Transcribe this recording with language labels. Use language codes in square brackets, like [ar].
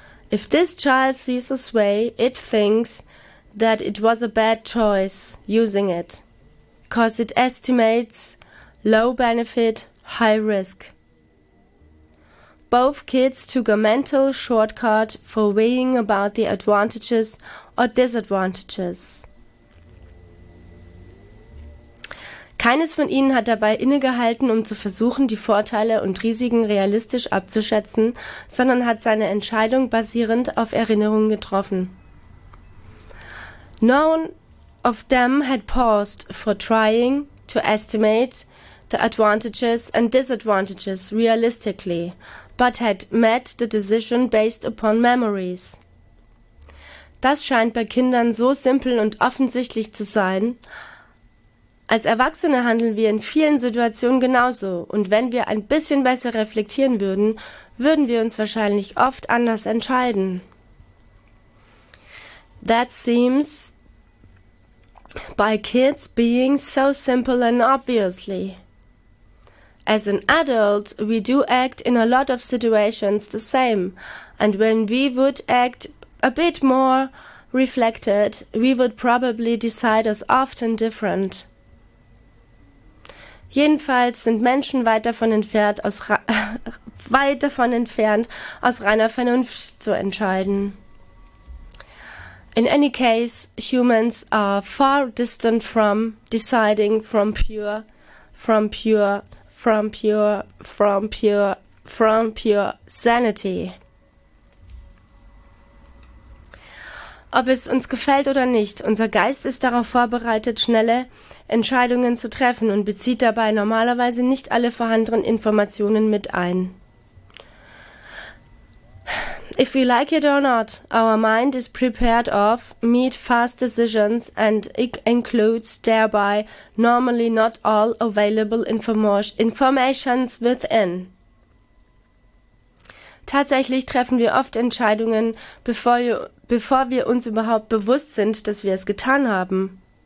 [en] If this child sees a sway, it thinks that it was a bad choice using it. Because it estimates low benefit, high risk. Both kids took a mental shortcut for weighing about the advantages or disadvantages. [de] Keines von ihnen hat dabei innegehalten, um zu versuchen, die Vorteile und Risiken realistisch abzuschätzen, sondern hat seine Entscheidung basierend auf Erinnerungen getroffen. [en] None of them had paused for trying to estimate the advantages and disadvantages realistically, but had made the decision based upon memories. [de] Das scheint bei Kindern so simpel und offensichtlich zu sein. Als Erwachsene handeln wir in vielen Situationen genauso, und wenn wir ein bisschen besser reflektieren würden, würden wir uns wahrscheinlich oft anders entscheiden. [en] That seems by kids being so simple and obviously. As an adult, we do act in a lot of situations the same, and when we would act a bit more reflected, we would probably decide as often different. [de] Jedenfalls sind Menschen weit davon entfernt, aus reiner Vernunft zu entscheiden. [en] In any case, humans are far distant from deciding from pure sanity. [de] Ob es uns gefällt oder nicht, unser Geist ist darauf vorbereitet, schnelle Entscheidungen zu treffen und bezieht dabei normalerweise nicht alle vorhandenen Informationen mit ein. [en] If we like it or not, our mind is prepared of meet fast decisions and it includes thereby normally not all available informations within. [de] Tatsächlich treffen wir oft Entscheidungen, bevor wir uns überhaupt bewusst sind, dass wir es getan haben.